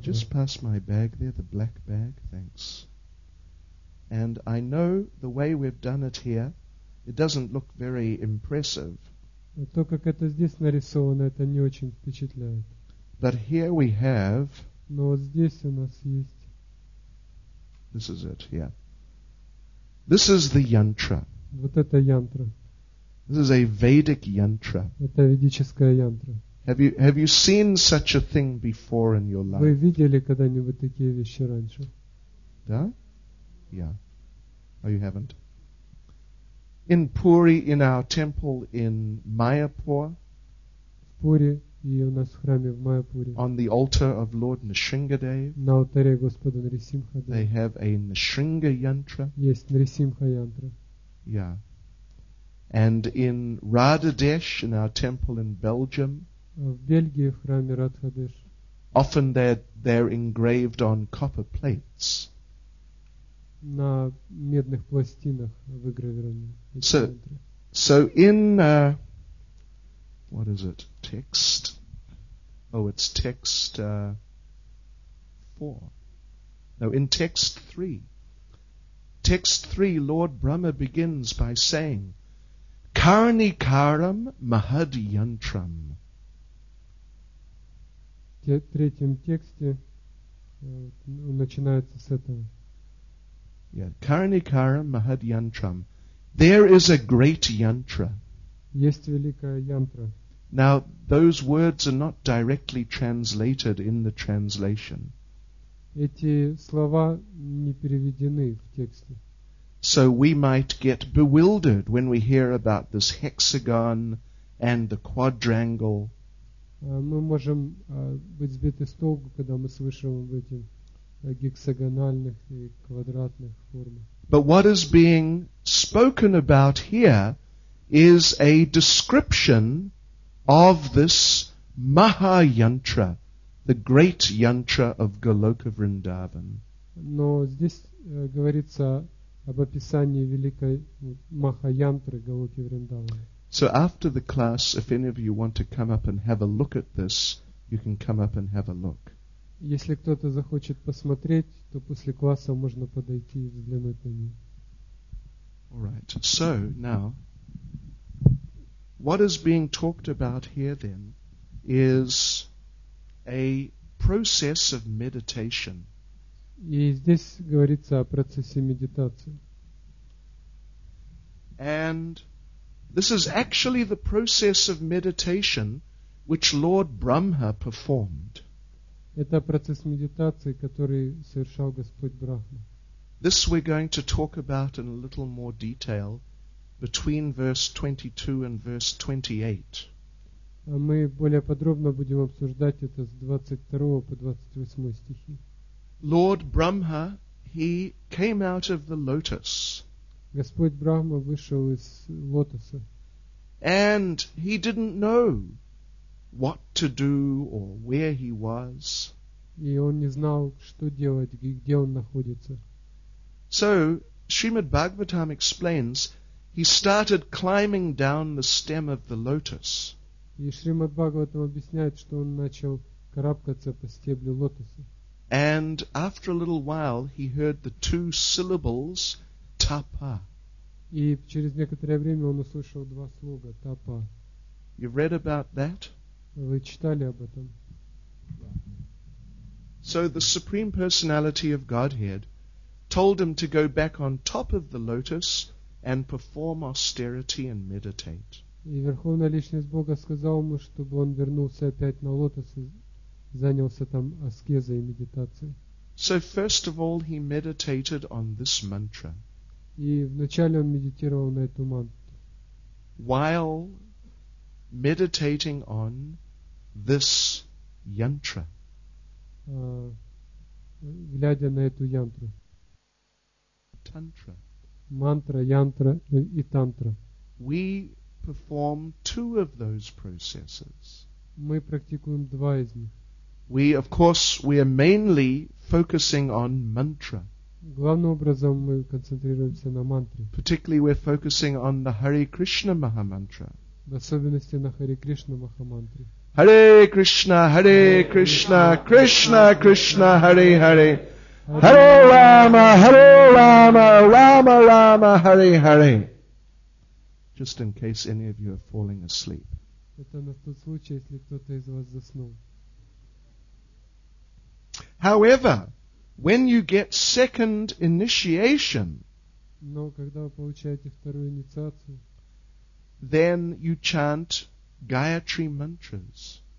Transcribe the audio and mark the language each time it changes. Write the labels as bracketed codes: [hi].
[en] Just pass my bag there, the black bag, thanks. And I know the way we've done it here, it doesn't look very impressive. [ru] То, как это здесь нарисовано, это не очень впечатляет. [en] But here we have. [ru] Но вот здесь у нас есть. [en] This is it, yeah. This is the yantra. [ru] Вот это yantra. [en] This is a Vedic yantra. [ru] Это ведическая yantra. [en] Have you seen such a thing before in your life? [ru] Вы видели когда-нибудь такие вещи раньше? [en] Да? Yeah. Oh, you haven't. In Puri, in our temple in Mayapur. [ru] В Пури и у нас в храме в Майяпуре. [en] On the altar of Lord Nrisimhadev. [ru] На алтаре Господа Нрисимхадева. [en] They have a Nrisimha yantra. [ru] Есть Нрисимха yantra. [en] Yeah. And in Radhadesh, in our temple in Belgium. [ru] В Бельгии, в храме Радхадеш. [en] Often they're engraved on copper plates. [ru] На медных пластинах выгравированы. [en] So in what is it? Text? Oh, it's text 4. No, in text 3. Text 3, Lord Brahma begins by saying, [sa] Karnikaram Mahad Yantram. [ru] В третьем тексте начинается с этого. [en] Yeah, [sa] Karnikaram Mahad Yantram. [en] There is a great yantra. [ru] Есть великая yantra. [en] Now, those words are not directly translated in the translation. [ru] Эти слова не переведены в тексте. [en] So we might get bewildered when we hear about this hexagon and the quadrangle. [ru] Мы можем быть сбиты с толку, когда мы слышим об этих гексагональных и квадратных формах. [en] But what is being spoken about here is a description of this Mahayantra, the great yantra of Goloka Vrindavan. [ru] Но здесь говорится об описании великой Mahayantra Goloki Vrindavan. [en] So after the class, if any of you want to come up and have a look at this, you can come up and have a look. [ru] Если кто-то захочет посмотреть, то после класса можно подойти и взглянуть на него. [en] All right. So now, what is being talked about here then is a process of meditation. [ru] И здесь говорится о процессе медитации. [en] And this is actually the process of meditation which Lord Brahma performed. [ru] Это процесс медитации, который совершал Господь Брахма. [en] This we're going to talk about in a little more detail. between verse 22 and verse 28. [ru] А мы более подробно будем обсуждать это с 22 по 28 стихи. [en] Lord Brahma, he came out of the lotus. [ru] Господь Брахма вышел из лотоса. [en] And he didn't know what to do or where he was. [ru] И он не знал, что делать, где он находится. [en] So, Srimad Bhagavatam explains, he started climbing down the stem of the lotus. [ru] И Шримад Бхагаватам объясняет, что он начал карабкаться по стеблю лотоса. [en] And after a little while, he heard the two syllables, tapa. [ru] И через некоторое время он услышал два слога, tapa. [en] You read about that? [ru] Вы читали об этом? [en] So the Supreme Personality of Godhead told him to go back on top of the lotus and perform austerity and meditate. [ru] И Верховная Личность Бога сказала ему, чтобы он вернулся опять на лотос и занялся там аскезой и медитацией. [en] So first of all, he meditated on this mantra. [ru] И вначале он медитировал на эту мантру. [en] While meditating on this yantra. [ru] Глядя на эту янтру. Тантра. Мантра, янтра и тантра. [en] We perform two of those processes. [ru] Мы практикуем два из них. [en] We, of course, we are mainly focusing on mantra. [ru] Главным образом мы концентрируемся на мантре. [en] Particularly we're focusing on the Hare Krishna Maha Mantra. [ru] В особенности на Hare Krishna Maha Mantra. [sa] Hare Krishna, Hare Krishna, Krishna Krishna, Hare Hare. Hare Rama, Hare Rama, Rama Rama, Hare Hare. [en] Just in case any of you are falling asleep. [ru] Это на тот случай, если кто-то из вас заснул. [en] However, when you get second initiation, [ru] но когда вы получаете вторую инициацию, [en] then you chant Gayatri mantras.